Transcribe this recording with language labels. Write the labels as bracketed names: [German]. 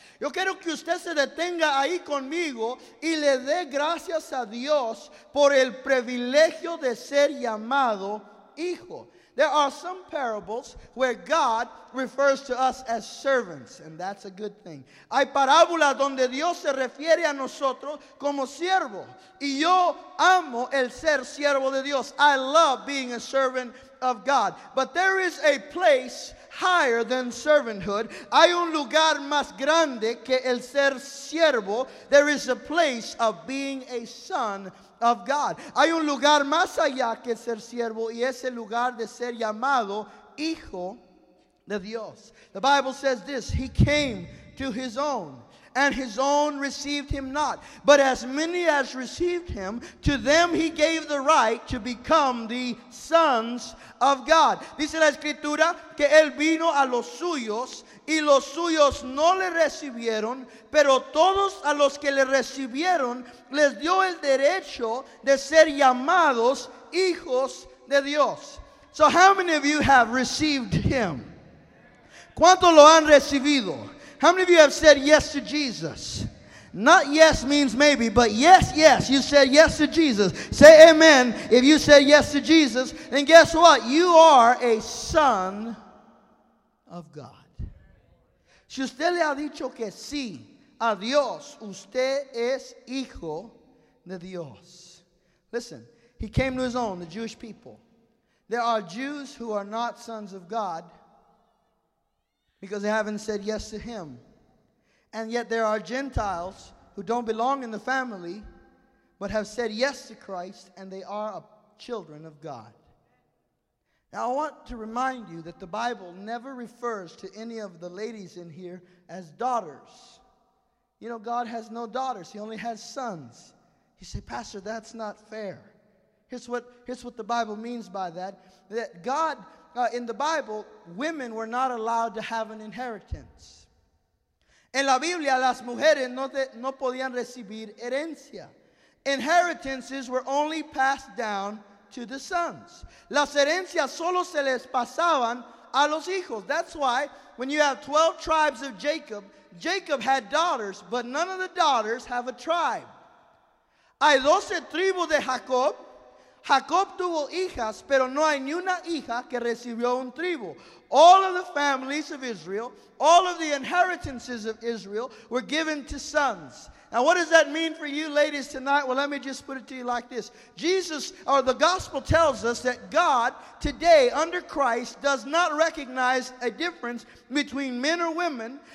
[Spanish] Yo quiero que usted se detenga ahí conmigo y le dé gracias a Dios por el privilegio de ser llamado hijo. [English] There are some parables where God refers to us as servants, and that's a good thing. [Spanish] Hay parábolas donde Dios se refiere a nosotros como siervo. Y yo amo el ser siervo de Dios. [English] I love being a servant of God. But there is a place higher than servanthood. [Spanish] Hay un lugar más grande que el ser siervo. [English] There is a place of being a son of God. [Spanish] Hay un lugar más allá que ser siervo, y es el lugar de ser llamado hijo de Dios. [English] The Bible says this: He came to His own, and His own received Him not. But as many as received Him, to them He gave the right to become the sons of God. [Spanish] Dice la escritura que Él vino a los suyos, y los suyos no le recibieron, pero todos a los que le recibieron les dio el derecho de ser llamados hijos de Dios. [English] So how many of you have received Him? [Spanish] ¿Cuántos lo han recibido? [English] How many of you have said yes to Jesus? Not yes means maybe, but yes, yes. You said yes to Jesus. Say amen if you said yes to Jesus. And guess what? You are a son of God. [Spanish] Si usted le ha dicho que sí a Dios, usted es hijo de Dios. [English] Listen, He came to His own, the Jewish people. There are Jews who are not sons of God because they haven't said yes to Him. And yet there are Gentiles who don't belong in the family but have said yes to Christ, and they are a children of God. Now I want to remind you that the Bible never refers to any of the ladies in here as daughters. You know, God has no daughters. He only has sons. You say, Pastor, that's not fair. Here's what the Bible means by that. That God, in the Bible, women were not allowed to have an inheritance. [Spanish] En la Biblia, las mujeres no podían recibir herencia. [English] Inheritances were only passed down to the sons. [Spanish] Las herencias solo se les pasaban a los hijos. [English] That's why when you have 12 tribes of Jacob, Jacob had daughters, but none of the daughters have a tribe. [Spanish] Hay 12 tribus de Jacob, Jacob tuvo hijas, pero no hay ni una hija que recibió un tribu. [English] All of the families of Israel, all of the inheritances of Israel were given to sons. Now, what does that mean for you ladies tonight? Well, let me just put it to you like this. Jesus, or the gospel tells us that God today under Christ does not recognize a difference between men or women.